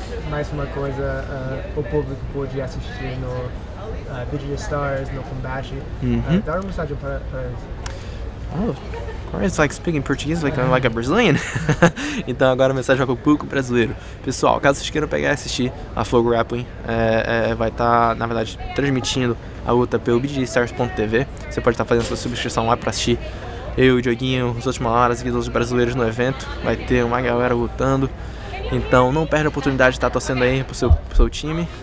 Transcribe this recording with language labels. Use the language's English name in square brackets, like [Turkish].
[Portuguese] Mais uma coisa, o público pôde assistir no Digital Stars, no Combate. Dá uma mensagem para eles. [English] Oh, it's like speaking Portuguese like a Brazilian. [Portuguese] Então agora a mensagem é para o público brasileiro. Pessoal, caso vocês queiram pegar e assistir a FloGrappling, vai estar, na verdade, transmitindo a luta pelo BDStars.tv. Você pode estar fazendo sua subscrição lá para assistir eu, o Dioguinho, os últimos horas e os brasileiros no evento. Vai ter uma galera lutando. Então não perde a oportunidade de estar torcendo aí para o seu time.